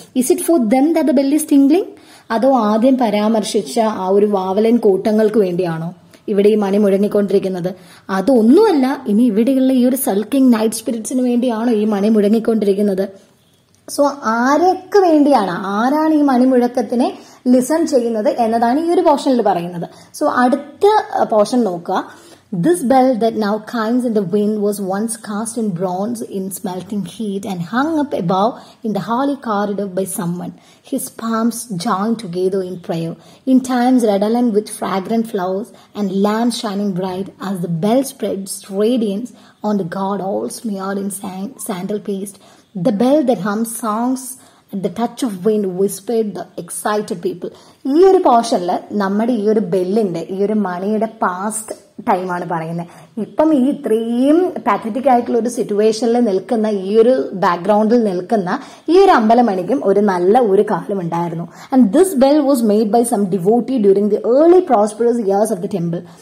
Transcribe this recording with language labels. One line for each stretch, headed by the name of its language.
English: Is it for them that the bell is tingling?
Malayalam: അതോ ആദ്യം പരാമർശിച്ച ആ ഒരു വാവലൻ കൂട്ടങ്ങൾക്ക് വേണ്ടിയാണോ ഇവിടെ ഈ മണി മുഴങ്ങിക്കൊണ്ടിരിക്കുന്നത്? അതൊന്നുമല്ല, ഇനി ഇവിടെയുള്ള ഈ ഒരു സൾക്കിംഗ് നൈറ്റ് സ്പിരിറ്റ്സിന് വേണ്ടിയാണോ ഈ മണി മുഴങ്ങിക്കൊണ്ടിരിക്കുന്നത്? സോ ആരൊക്കെ വേണ്ടിയാണ്, ആരാണ് ഈ മണിമുഴക്കത്തിനെ ലിസൺ ചെയ്യുന്നത് എന്നതാണ് ഈ ഒരു പോർഷനിൽ പറയുന്നത്. സോ അടുത്ത പോർഷൻ നോക്കുക.
English: This bell that now chimes in the wind was once cast in bronze in smelting heat and hung up above in the holy corridor by someone, his palms joined together in prayer, in times redolent with fragrant flowers and lamps shining bright as the bell spreads radiance on the god all smeared in sandal paste. The bell that hums songs at the touch of wind whispered the excited people.
Malayalam: ഈ ഒരു പോർഷനില് നമ്മുടെ ഈ ഒരു ബെല്ലിന്റെ ഈ ഒരു മണിയുടെ past ടൈമാണ് പറയുന്നത്. ഇപ്പം ഈ ഇത്രയും പാത്തറ്റിക് ആയിട്ടുള്ള ഒരു സിറ്റുവേഷനിൽ നിൽക്കുന്ന ഈ ഒരു ബാക്ക്ഗ്രൗണ്ടിൽ നിൽക്കുന്ന ഈ ഒരു അമ്പലമണിക്കും ഒരു നല്ല ഒരു കാലം ഉണ്ടായിരുന്നു.
English: And this bell was made by some devotee during the early prosperous years of the temple.